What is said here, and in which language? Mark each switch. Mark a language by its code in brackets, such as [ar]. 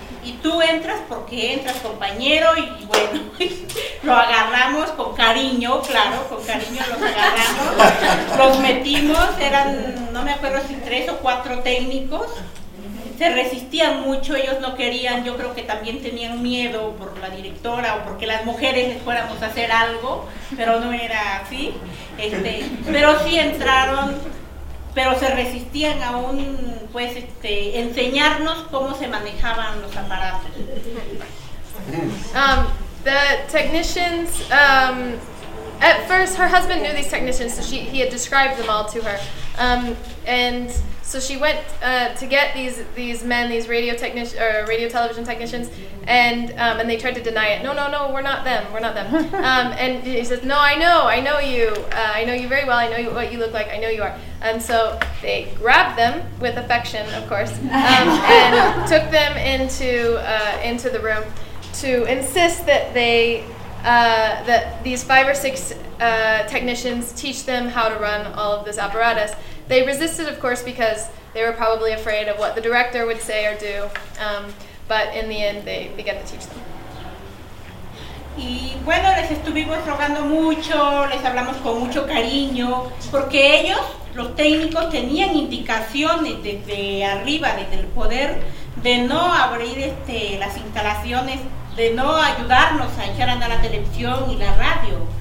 [es] Y tú entras porque entras, compañero, y bueno, lo agarramos con cariño, claro, con cariño los agarramos, los metimos, eran, no me acuerdo si 3 o 4 técnicos, se resistían mucho, ellos no querían, yo creo que también tenían miedo por la directora o porque las mujeres les fuéramos a hacer algo, pero no era así, pero sí entraron. Pero se resistían aún, pues, enseñarnos cómo se manejaban los aparatos. [en] The technicians, at first her husband knew these technicians, so he had described them all to her. And so she went to get these men, these radio technicians, or radio television technicians, and they tried to deny it. No, we're not them. And he says, no, I know you. I know you very well. I know what you look like. I know you are. And so they grabbed them, with affection, of course, and took them into the room to insist that they... that these 5 or 6 technicians teach them how to run all of this apparatus. They resisted, of course, because they were probably afraid of what the director would say or do, but in the end they began to teach them. [es] Y bueno, les estuvimos rogando mucho, les hablamos con mucho cariño, porque ellos, los técnicos, tenían indicaciones desde arriba, desde el poder, de no abrir las instalaciones, de no ayudarnos a echar a andar la televisión y la radio.